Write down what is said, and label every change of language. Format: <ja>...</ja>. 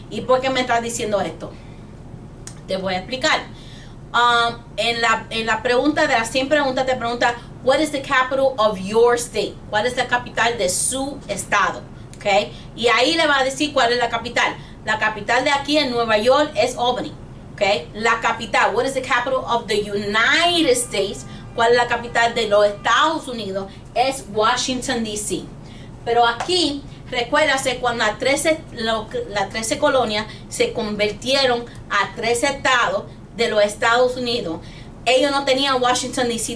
<es>¿Y por qué me estás diciendo esto? Te voy a explicar. En la pregunta de las 100 preguntas, te pregunta,</es> <en>what is the capital of your state?</en> <es>¿Cuál es la capital de su estado? Okay. Y ahí le va a decir cuál es la capital. La capital de aquí en Nueva York es Albany. Okay. La capital,</es> <en>what is the capital of the United States?</en> <es>¿Cuál es la capital de los Estados Unidos? Es Washington, D.C. Pero aquí, recuérdase, cuando las 13 colonias se convirtieron a 13 estados de los Estados Unidos, ellos no tenían Washington, D.C.</es>